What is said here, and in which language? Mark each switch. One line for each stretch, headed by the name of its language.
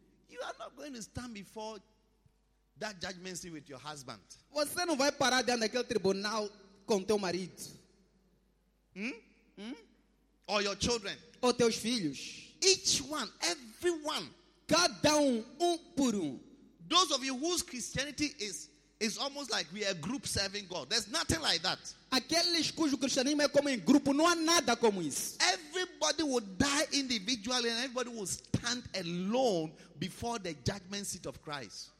English: You are not going to stand before that judgment seat with your husband.
Portuguese: Você não vai parar diante daquele tribunal com teu marido.
English: Or your children.
Portuguese: Ou teus filhos.
English: Each one, everyone.
Portuguese: Cada um por um.
English: Those of you whose Christianity is almost like we are a group serving God. There's nothing like that.
Portuguese: Aqueles cujo cristianismo é como em grupo, não há nada como isso.
English: Everybody will die individually and everybody will stand alone before the judgment seat of Christ.